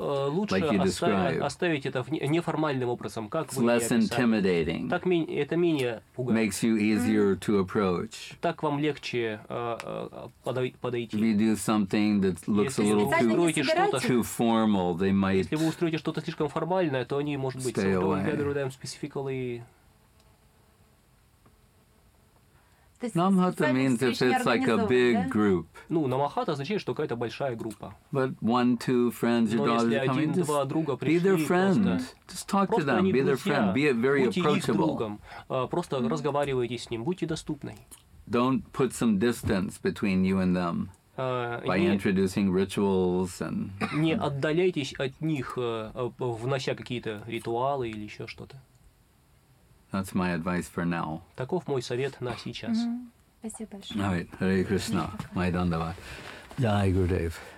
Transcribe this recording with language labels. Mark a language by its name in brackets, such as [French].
[Russian] лучше оставить это неформальным образом, как вы [English] less intimidating. [Russian] Так это менее пугает. [English] Makes you easier to approach. [Russian] Так вам легче подойти. [English] If you do something that looks a little too formal, they might. [Russian] Если вы устроите что-то слишком формальное, то они, может быть, [English] stay away. Better them specifically. Намахата means if it's like a big group. [Russian] Ну, намахата означает, что какая-то большая группа. [English] But one, two friends, your daughter coming, just be their friend. Just talk to them, be their friend, be very approachable. [Russian] Просто разговаривайте с ним, будьте доступны. [English] Don't put some distance between you and them by introducing rituals and. [Russian] Не отдаляйтесь от них, внося какие-то ритуалы или еще что-то. [English] That's my advice for now. [Russian] Таков мой совет на сейчас. Спасибо большое. [English] All right, Hare Krishna, Майдандава, Jai Gurudev.